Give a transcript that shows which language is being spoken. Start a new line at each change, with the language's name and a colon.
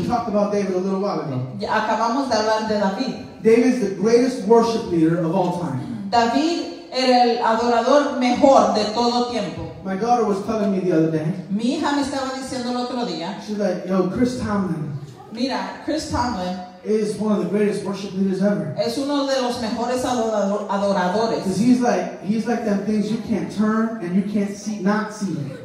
English: We talked about David a little while ago.
Spanish: Acabamos de hablar de David.
English: David is the greatest worship leader of all time.
Spanish: David era el adorador mejor de todo tiempo.
English: My daughter was telling me the other day.
Spanish: Mi hija me estaba diciendo el otro día.
English: She's like, yo, Chris Tomlin.
Spanish: Mira, Chris Tomlin.
English: Is one of the greatest worship leaders ever.
Spanish: Es uno de los mejores adoradores.
English: Because he's like them things you can't turn and you can't see not see.